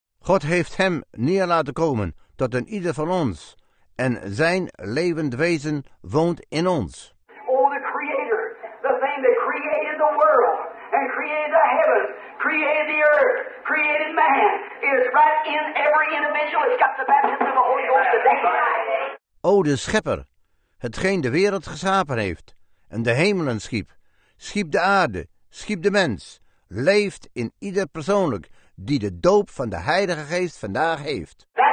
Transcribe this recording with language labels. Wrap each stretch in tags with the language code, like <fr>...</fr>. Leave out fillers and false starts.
<nl>God heeft hem neer laten komen tot een ieder van ons. En zijn levend wezen woont in ons.</nl> <en>Oh, the creator, the thing that created the world and created the heavens, created the earth, created man, is right in every individual. It's got the baptism of the Holy Ghost today.</en> <nl>Oh, de schepper, hetgeen de wereld geschapen heeft en de hemelen schiep, schiep de aarde, schiep de mens, leeft in ieder persoonlijk die de doop van de Heilige Geest vandaag heeft.</nl>